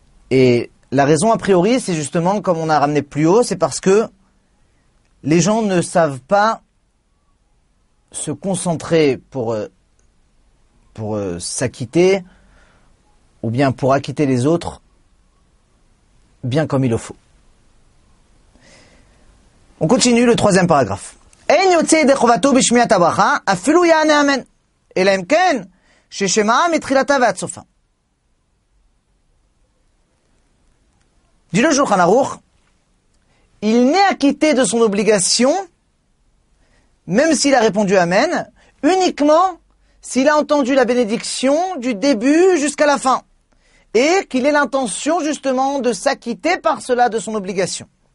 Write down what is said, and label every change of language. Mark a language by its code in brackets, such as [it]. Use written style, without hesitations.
[fr] Et la raison a priori, c'est justement comme on a ramené plus haut, c'est parce que les gens ne savent pas se concentrer pour s'acquitter ou bien pour acquitter les autres bien comme il le faut. On continue le troisième paragraphe. [he] אין יוצא ידי חובתו בשמיעת הברכה, אפילו יענה אמן. אלא אם כן, ששמעה מתחילתה ועד סופה. דיל שולחן ערוך, [fr] il n'est acquitté de son obligation, même s'il a répondu Amen, uniquement s'il a entendu la bénédiction du début jusqu'à la fin, et qu'il ait l'intention justement de s'acquitter par cela de son obligation.